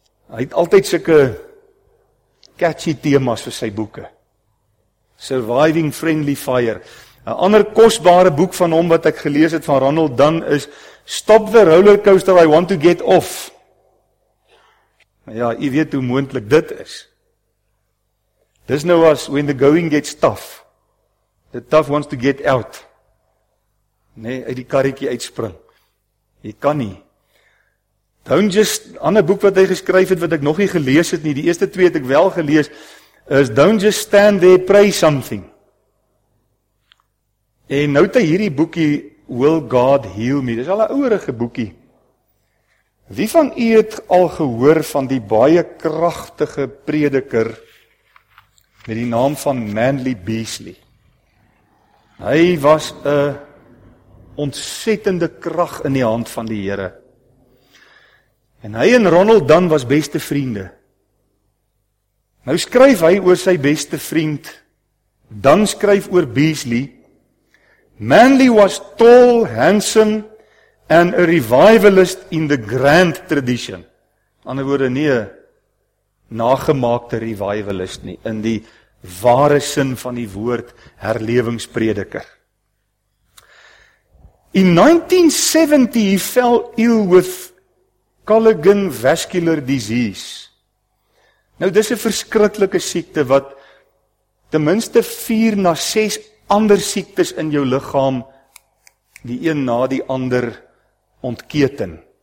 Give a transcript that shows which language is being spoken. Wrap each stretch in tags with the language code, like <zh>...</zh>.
<af>Hy het altyd sulke catchy temas vir sy boeke. Surviving Friendly Fire. 'N Ander kosbare boek van hom wat ek gelees het van Ronald Dunn is Stop the Roller Coaster I Want to Get Off. Ja, jy weet hoe moontlik dit is. Dis nou as When the Going Gets Tough. The Tough Wants to Get Out. Nee, uit die karretjie uitspring. Jy kan nie. Don't just, ander boek wat hy geskryf het, wat ek nog nie gelees het nie, die eerste twee het ek wel gelees, is Don't Just Stand There, Pray Something. En nou het hy hierdie boekie, Will God Heal Me? Dis al 'n ouerige boekie. Wie van u het al gehoor van die baie kragtige prediker met die naam van Manly Beasley? Hy was 'n ontsettende krag in die hand van die Here. En hy en Ronald Dunn was beste vriende. Nou skryf hy oor sy beste vriend, Dunn skryf oor Beasley.</af> <en>Manly was tall, handsome, and a revivalist in the grand tradition.</en> <af>Ander woorde nie, nagemaakte revivalist nie, in die ware sin van die woord, herlewingsprediker.</af> <en>In 1970, he fell ill with Culligan vascular disease.</en> <af>Nou, dis 'n verskriklike siekte, wat ten minste 4 na 6 ander siektes in jou liggaam, die een na die ander, ontketen.</af>